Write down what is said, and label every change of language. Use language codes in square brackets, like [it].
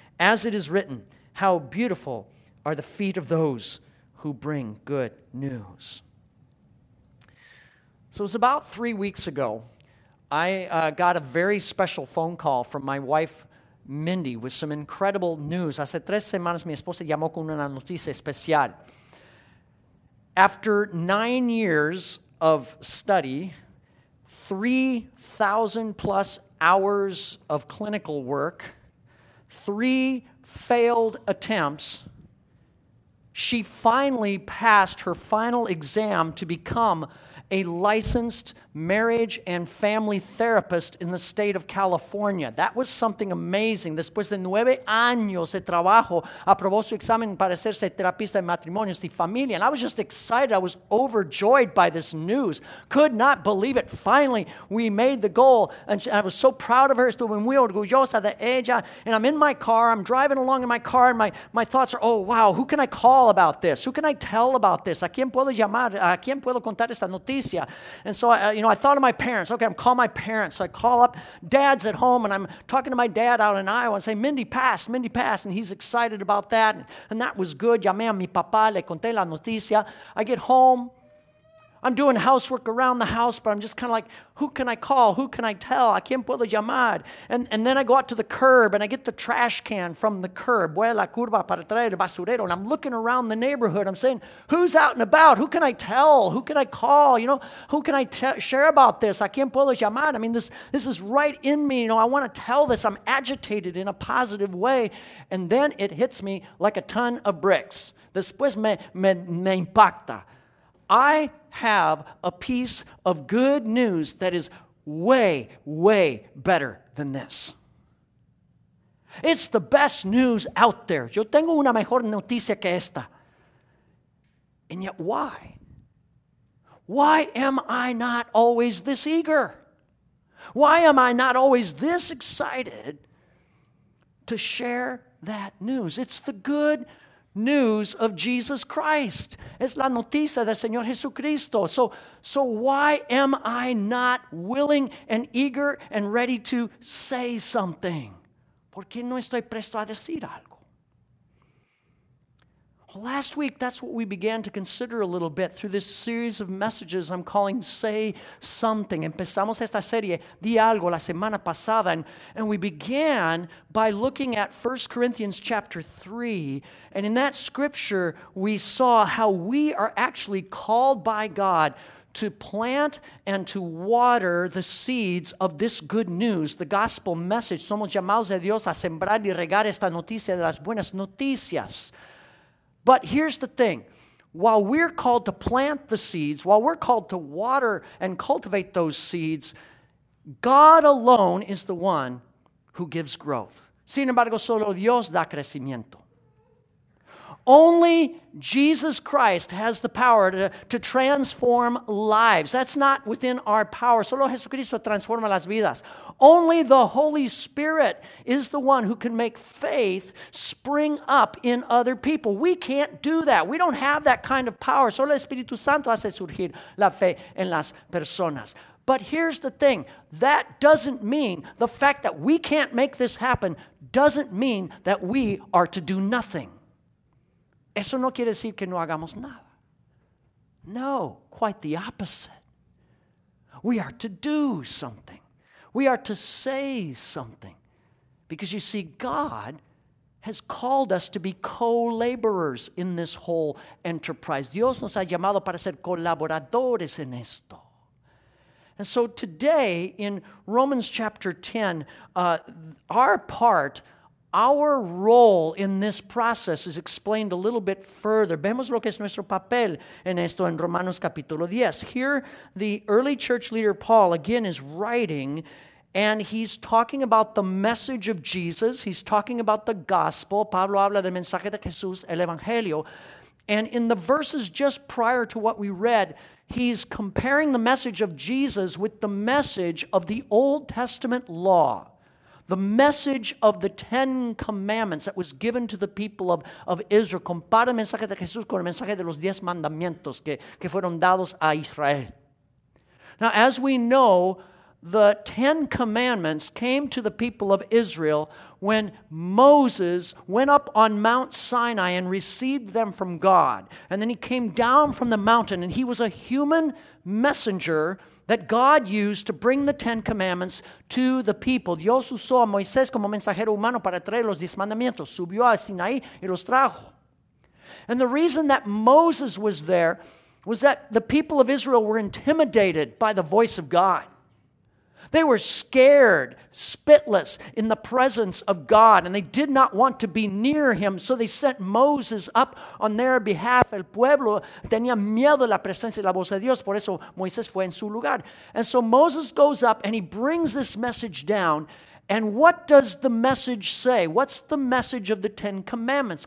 [en] As it is written, how beautiful are the feet of those who bring good news. So it was about 3 weeks ago, I got a very special phone call from my wife, Mindy, with some incredible news. [es] Hace tres semanas mi esposa llamó con una noticia especial. [en] After 9 years of study, 3,000 plus hours of clinical work, 3 failed attempts, she finally passed her final exam to become a licensed marriage and family therapist in the state of California. That was something amazing. [es] Después de 9 años de trabajo, aprobó su examen para hacerse terapista de matrimonios y familia. [en] And I was just excited. I was overjoyed by this news. Could not believe it. Finally, we made the goal. And I was so proud of her. [es] Estuve muy orgullosa de ella. [en] And I'm in my car. I'm driving along in my car. And my thoughts are, oh, wow, who can I call about this? Who can I tell about this? [es] ¿A quién puedo llamar? ¿A quién puedo contar esta noticia? [en] And so I thought of my parents. Okay, I'm calling my parents. So I call up, dad's at home, and I'm talking to my dad out in Iowa and say, Mindy passed, and he's excited about that. And that was good. [es] Llamé a mi papá, le conté la noticia. [en] I get home. I'm doing housework around the house, but I'm just kind of like, who can I call? Who can I tell? [es] ¿A quién puedo llamar? [en] And then I go out to the curb, and I get the trash can from the curb. [es] Voy a la curva para traer el basurero. [en] And I'm looking around the neighborhood. I'm saying, who's out and about? Who can I tell? Who can I call? You know, who can I share about this? [es] ¿A quién puedo llamar? [en] I mean, this is right in me. You know, I want to tell this. I'm agitated in a positive way. And then it hits me like a ton of bricks. [es] Después me impacta. [en] I have a piece of good news that is way, way better than this. It's the best news out there. [es] Yo tengo una mejor noticia que esta. [en] And yet why? Why am I not always this eager? Why am I not always this excited to share that news? It's the good news of Jesus Christ. [es] Es la noticia del Señor Jesucristo. [en] So why am I not willing and eager and ready to say something? [es] ¿Por qué no estoy presto a decir algo? [en] Well, last week, that's what we began to consider a little bit through this series of messages I'm calling Say Something. [es] Empezamos esta serie, Di Algo, la semana pasada, [en] and we began by looking at 1 Corinthians chapter 3, and in that scripture, we saw how we are actually called by God to plant and to water the seeds of this good news, the gospel message. [es] Somos llamados de Dios a sembrar y regar esta noticia de las buenas noticias. [en] But here's the thing. While we're called to plant the seeds, while we're called to water and cultivate those seeds, God alone is the one who gives growth. [es] Sin embargo, solo Dios da crecimiento. [en] Only Jesus Christ has the power to transform lives. That's not within our power. [es] Solo Jesucristo transforma las vidas. [en] Only the Holy Spirit is the one who can make faith spring up in other people. We can't do that. We don't have that kind of power. [es] Solo el Espíritu Santo hace surgir la fe en las personas. [en] But here's the thing. That doesn't mean, the fact that we can't make this happen doesn't mean that we are to do nothing. [es] Eso no quiere decir que no hagamos nada. [en] No, quite the opposite. We are to do something. We are to say something. Because you see, God has called us to be co-laborers in this whole enterprise. [es] Dios nos ha llamado para ser colaboradores en esto. [en] And so today, in Romans chapter 10, our part, our role in this process is explained a little bit further. [es] Vemos lo que es nuestro papel en esto en Romanos capítulo 10. [en] Here, the early church leader Paul, again, is writing, and he's talking about the message of Jesus. He's talking about the gospel. [es] Pablo habla del mensaje de Jesús, el Evangelio. [en] And in the verses just prior to what we read, he's comparing the message of Jesus with the message of the Old Testament law. The message of the Ten Commandments that was given to the people of Israel. [es] Compara el mensaje de Jesús con el mensaje de los diez mandamientos que fueron dados a Israel. [en] Now, as we know, the Ten Commandments came to the people of Israel when Moses went up on Mount Sinai and received them from God. And then he came down from the mountain, and he was a human messenger that God used to bring the Ten Commandments to the people. [es] Dios usó a Moisés como mensajero humano para traer los diez mandamientos. Subió a Sinaí y los trajo. [en] And the reason that Moses was there was that the people of Israel were intimidated by the voice of God. They were scared, spitless in the presence of God, and they did not want to be near him, so they sent Moses up on their behalf. [es] El pueblo tenía miedo a la presencia y la voz de Dios, por eso Moisés fue en su lugar. [en] And so Moses goes up, and he brings this message down, and what does the message say? What's the message of the Ten Commandments?